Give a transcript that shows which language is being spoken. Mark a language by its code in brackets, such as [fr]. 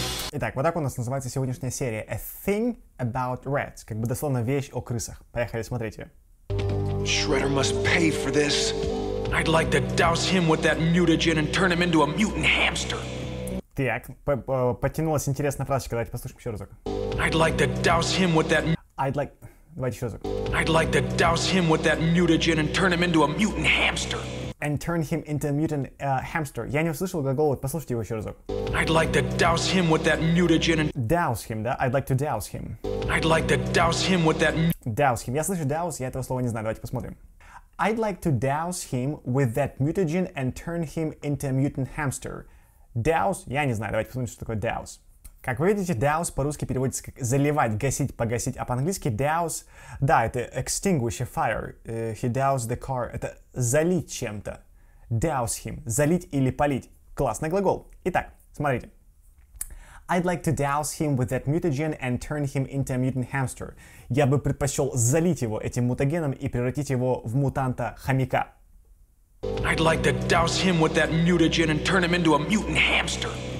[ru] Итак, вот так у нас называется сегодняшняя серия. [en] A thing about rats. [ru] Как бы дословно вещь о крысах. Поехали, смотрите. [en] Shredder must pay for this. I'd like to douse him with that mutagen and turn him into a mutant hamster. [ru] Так, подтянулась интересная фразочка. Давайте послушаем еще разок. [en] I'd like to douse him with that... [ru] Давайте еще разок. [en] I'd like to douse him with that mutagen and turn him into a mutant hamster. And turn him into a mutant hamster. [ru] Я не услышал глагол, послушайте его еще разок. [en] I'd like to douse him with that mutagen and... Douse him, да? I'd like to douse him. I'd like to douse him with that... Douse him. [ru] Я слышу douse, я этого слова не знаю. Давайте посмотрим. [en] I'd like to douse him with that mutagen and turn him into a mutant hamster. [ru] Douse? Я не знаю. Давайте посмотрим, что такое douse. Как вы видите, douse по-русски переводится как заливать, гасить, погасить. А по-английски douse, да, это [en] extinguish a fire. He doused the car. [ru] Это залить чем-то. [en] Douse him. [ru] Залить или полить. Классный глагол. Итак, смотрите. [en] I'd like to douse him with that mutagen and turn him into a mutant hamster. [ru] Я бы предпочел залить его этим мутагеном и превратить его в мутанта-хомяка. [en] I'd like to douse him with that mutagen and turn him into a mutant hamster.